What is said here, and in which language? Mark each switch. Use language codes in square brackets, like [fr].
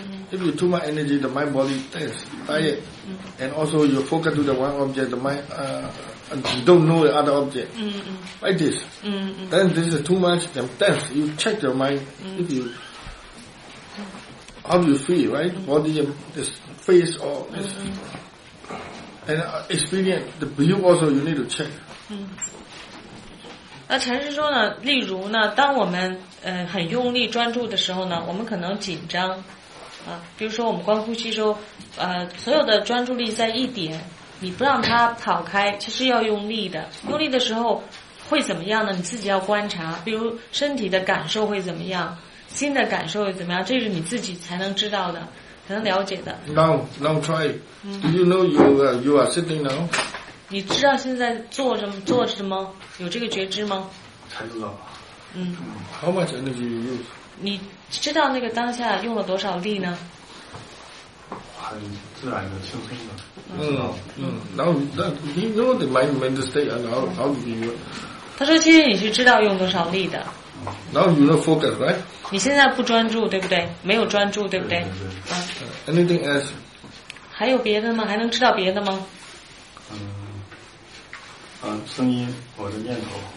[en] If you too much energy, the mind body tense, tired. And also you forget to the one object, the mind, you don't know the other object. Like this. Then this is too much, then tense. You check your mind. If you, how do you feel, right? Body is. Face or and experience the view also you need to check. [zh] 那禅师说呢，例如呢，当我们很用力专注的时候呢，我们可能紧张啊，比如说我们观呼吸时候，所有的专注力在一点，你不让它跑开，其实要用力的。用力的时候会怎么样呢？你自己要观察，比如身体的感受会怎么样，心的感受会怎么样，这是你自己才能知道的。能了解的。 [en] Now try. Do you know you are sitting now? [zh] 你知道现在坐什么坐着吗？有这个觉知吗？才知道。 [en] How much energy you use? [zh] 你知道那个当下用了多少力呢？很自然的、轻松的。 [en] Now you know the mind state and how do you? [zh] 他说：“其实你是知道用多少力的。” [en] Now you don't focus, right? [zh] 你现在不专注，对不对？没有专注，对不对, 对, 对、啊、 [en] Anything else? [zh] 还有别的吗？还能知道别的吗？声音，我的念头。